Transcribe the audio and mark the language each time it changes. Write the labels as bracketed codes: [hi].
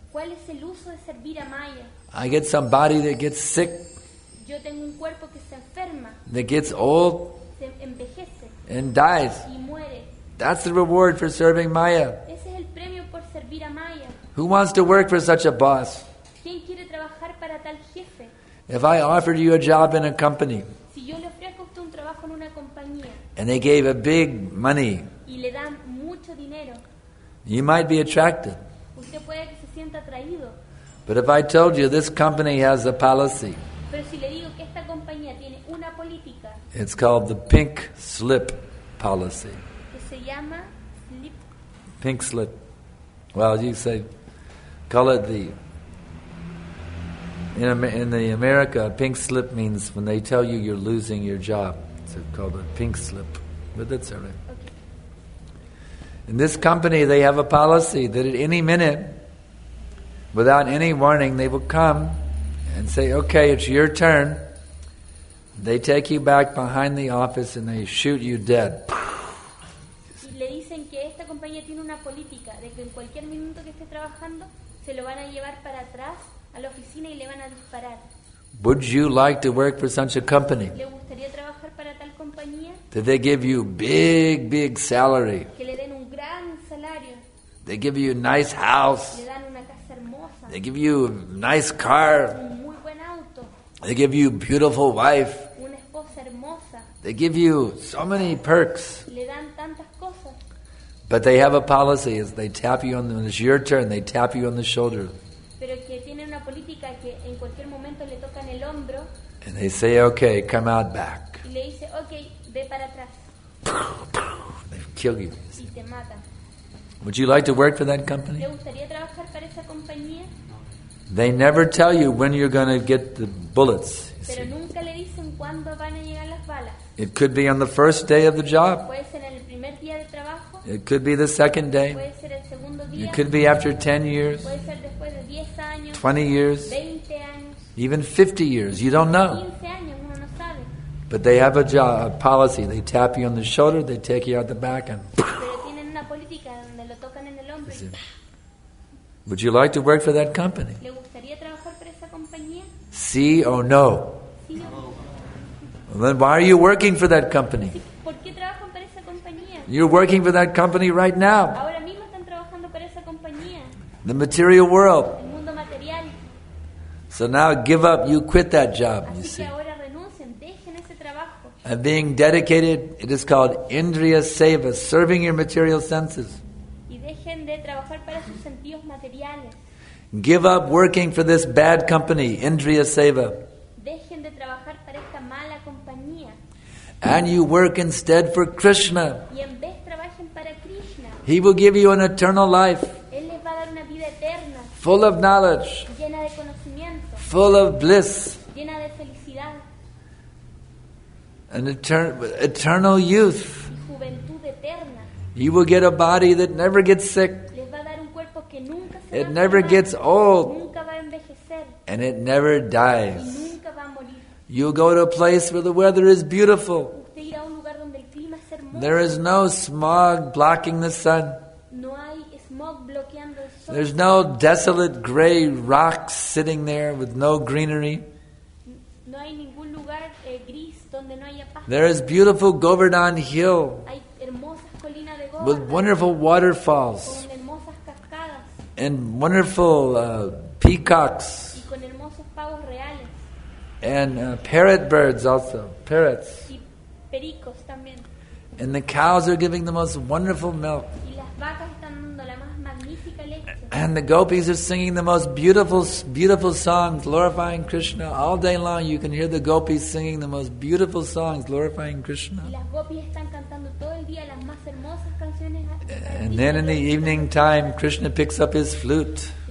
[es] ¿Cuál es el uso de servir a Maya? [en] I get some body that gets sick. [es] Yo tengo un cuerpo que se enferma. [en] That gets old. [es] Se envejece. [en] And dies. [es] Y muere. [en] That's the reward for serving Maya. [es] Ese es el premio por servir a Maya. [en] Who wants to work for such a boss? [es] ¿Quién quiere trabajar para tal jefe? [en] If I offered you a job in a company, [es] si yo le ofrezco usted un trabajo en una compañía, [en] and they gave a big money, [es] y le dan mucho dinero, [en] you might be attracted. [es] Usted puede que se sienta atraído. [en] But if I told you this company has a policy, [es] pero si le digo que esta compañía tiene una política, [en] it's called the pink slip policy. [es] Que se llama slip. [en] Pink slip. Well, you say, call it the... In the America, a pink slip means when they tell you you're losing your job. It's called a pink slip. But that's all right. Okay. In this company, they have a policy that at any minute, without any warning, they will come and say, okay, it's your turn. They take you back behind the office and they shoot you dead. [es] Le dicen que esta compañía tiene una política de que en cualquier minuto que esté trabajando, se lo van a llevar para atrás. A la oficina y le van a disparar. [en] Would you like to work for such a company? [es] ¿Le gustaría trabajar para tal compañía? [en] Did they give you big, big salary? [es] Que le den un gran salario. [en] They give you a nice house. [es] Le dan una casa hermosa. [en] They give you a nice car. [es] Un muy buen auto. [en] They give you a beautiful wife. [es] Una esposa hermosa. [en] They give you so many perks. [es] Le dan tantas cosas. [en] But they have a policy as they tap you on the, when it's your turn, they tap you on the shoulder. [es] Pero que tiene una política que en cualquier momento le tocan el hombro. [en] And they say, okay, come out back. [es] Y le dice, okay, ve para atrás. [en] They kill you. [es] Y te matan. [en] Would you like to work for that company? [es] ¿Te gustaría trabajar para esa compañía? [en] They never tell you when you're going to get the bullets. [es] Pero nunca le dicen cuándo van a llegar las balas. [en] It could be on the first day of the job. [es] Puede ser en el primer día de trabajo. [en] It could be the second day. [es] Puede ser el segundo día. [en] It could be after 10 years. [es] Puede ser después de 10 años. [en] 20 years. [es] 20 años. [en] Even 50 years. You don't know. [es] 15 años, uno no sabe. [en] But they have a job, a policy. They tap you on the shoulder, they take you out the back and... [es] Pero tienen una política donde lo tocan en el hombro y... [en] Would you like to work for that company? [es] ¿Le gustaría trabajar para esa compañía? Sí o no. Sí, no. [en] Then why are you working for that company? [es] ¿Por qué trabajan para esa compañía? [en] You're working for that company right now. [es] Ahora mismo están trabajando para esa compañía. [en] The material world. [es] El mundo material. [en] So now give up. You quit that job. [es] Así [en] you [es] que [en] see. [es] Ahora renuncien. Dejen ese trabajo. [en] And being dedicated, it is called Indriya Seva, serving your material senses. [es] Y dejen de trabajar para sus sentidos materiales. [en] Give up working for this bad company, Indriya Seva. [es] Dejen de trabajar para esta mala compañía. [en] And you work instead for Krishna. [es] Y en vez trabajen para Krishna. [en] He will give you an eternal life. [es] Él le [en] full of knowledge, [es] llena de conocimiento, [en] full of bliss, [es] llena de felicidad, [en] an eternal youth. [es] Juventud eterna. [en] You will get a body that never gets sick. [es] Les va a dar un cuerpo que nunca se [en] it never [es] va a [en] gets old. [es] Nunca va a envejecer. [en] And it never dies. [es] Y nunca va a morir. [en] You'll go to a place where the weather is beautiful. [es] Usted irá a un lugar donde el clima es hermoso. [en] There is no smog blocking the sun. [es] No hay smog bloqueando el sol. [en] There's no desolate gray rocks sitting there with no greenery. [es] No hay ningún lugar, gris donde no haya pasto. [en] There is beautiful Govardhan Hill. [es] Hay hermosas colinas de Govardhan, [en] with wonderful waterfalls. [es] Con hermosas cascadas. [en] And wonderful peacocks. [es] Y con hermosos pavos reales. [en] And parrot birds also, parrots. [es] Y pericos también. [en] And the cows are giving the most wonderful milk. [es] Y las vacas están dando la más magnífica leche. [en] And the gopis are singing the most beautiful, beautiful songs glorifying Krishna. All day long you can hear the gopis singing the most beautiful songs glorifying Krishna. [es] Y las gopis están cantando todo el día las más hermosas canciones. [en] And then in the evening time, Krishna picks up his flute.